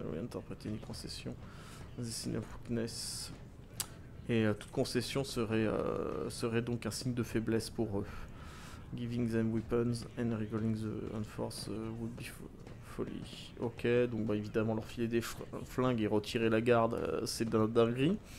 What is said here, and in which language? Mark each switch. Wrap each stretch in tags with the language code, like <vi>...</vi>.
<fr>Réinterpréter une concession.</fr> <en>The sign of weakness.</en> <fr>Et toute concession serait donc un signe de faiblesse pour eux.</fr> <en>Giving them weapons and recalling the unforce would be folly.</en> <fr>Ok, donc bah, évidemment leur filer des flingues et retirer la garde, c'est dinguerie.</fr>